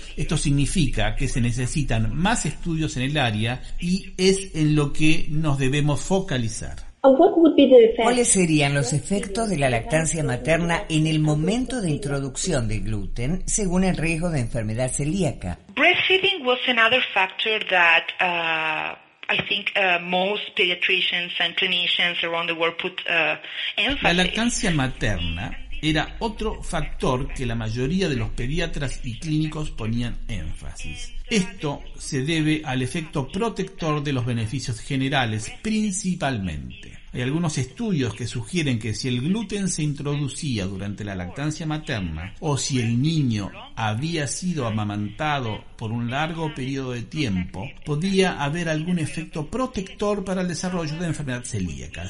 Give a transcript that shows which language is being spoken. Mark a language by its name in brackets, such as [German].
[Spanish] Esto significa que se necesitan más estudios en el área y es en lo que nos debemos focalizar. ¿Cuáles serían los efectos de la lactancia materna en el momento de introducción de gluten según el riesgo de enfermedad celíaca? [English] Breastfeeding was another factor that most pediatricians and clinicians around the world put emphasis. [Spanish] La lactancia materna era otro factor que la mayoría de los pediatras y clínicos ponían énfasis. Esto se debe al efecto protector de los beneficios generales, principalmente. Hay algunos estudios que sugieren que si el gluten se introducía durante la lactancia materna o si el niño había sido amamantado por un largo periodo de tiempo, podía haber algún efecto protector para el desarrollo de enfermedad celíaca.